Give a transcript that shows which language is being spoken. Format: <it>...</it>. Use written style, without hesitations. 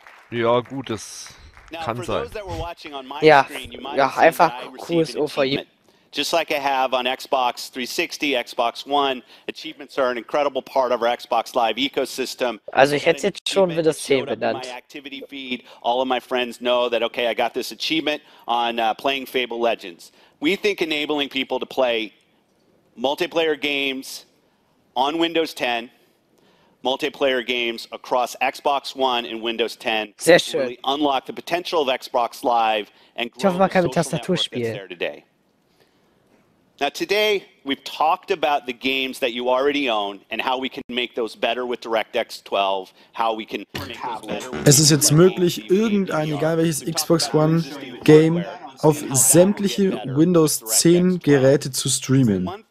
<de>Ja, gut, das kann sein. Ja, ja, einfach QSO4YOU.</de> <en>Just like I have on Xbox 360, Xbox One, achievements are an incredible part of our Xbox Live ecosystem.</en> <de>Also ich hätte jetzt schon wieder das Thema genannt.</de> <en>My activity feed, all of my friends know that, okay, I got this achievement on playing Fable Legends. We think enabling people to play multiplayer games on Windows 10, multiplayer games across Xbox One and Windows 10</en> <de>sehr schön.</de> <en>Really unlock the potential of Xbox Live and grow</en> <de>hoffe,</de> <en>the social network that's there today. Now today, we've talked about the games that you already own and how we can make those better with DirectX 12, how we can make those better with...</en> <de>Es ist jetzt möglich, irgendein, egal welches Xbox One Game, auf sämtliche Windows 10 Geräte zu streamen.</de>